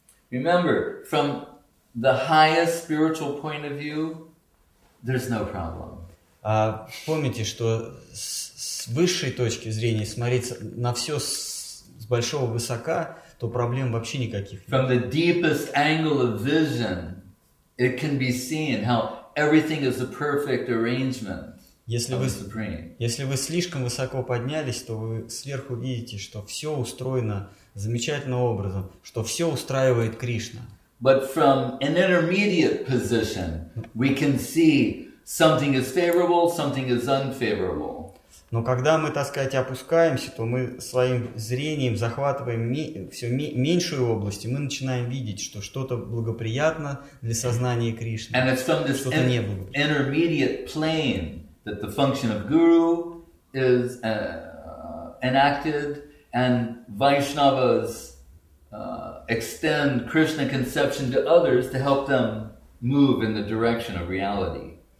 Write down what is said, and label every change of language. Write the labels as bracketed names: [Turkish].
[English] Remember, from the highest spiritual point of view, there's no problem. [Russian] Помните, что с высшей точки зрения смотреть на все с большого высока, то проблем вообще никаких нет. [English] From the deepest angle of vision, it can be seen how everything is a perfect arrangement. [Russian] Если вы слишком высоко поднялись, то вы сверху видите, что все устроено замечательным образом, что все устраивает Кришна. [English] But from an intermediate position, we can see something is favorable, something is unfavorable. [Russian] Но когда мы, так сказать, опускаемся, то мы своим зрением захватываем меньшую область, и мы начинаем видеть, что что-то благоприятно для сознания Кришны, [English] and it's from this [Russian] что-то неблагоприятно. [English] Intermediate plane that the function of guru is enacted, and Vaishnavas extend Krishna conception to others to help them move in the direction of reality.